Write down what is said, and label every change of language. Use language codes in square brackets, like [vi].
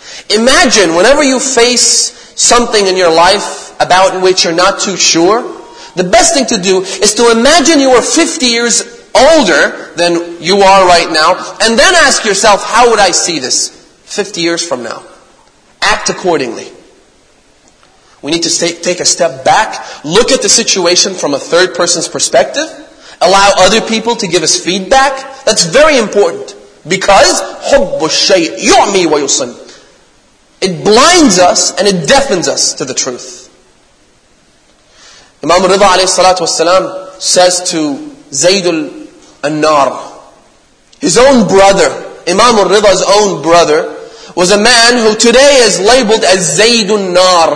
[en] Imagine, whenever you face something in your life about which you're not too sure, the best thing to do is to imagine you are 50 years older than you are right now, and then ask yourself, how would I see this 50 years from now? Act accordingly. We need to take a step back, look at the situation from a third person's perspective, allow other people to give us feedback. That's very important. Because [ar] حُبُّ الشَّيْءِ يُعْمِي وَيُصِمْ. [en] It blinds us and it deafens us to the truth. Imam Ridha alayhi salatu wasalam says to Zayd al-Nar, his own brother, Imam Ridha's own brother, was a man who today is labeled as Zayd al-Nar.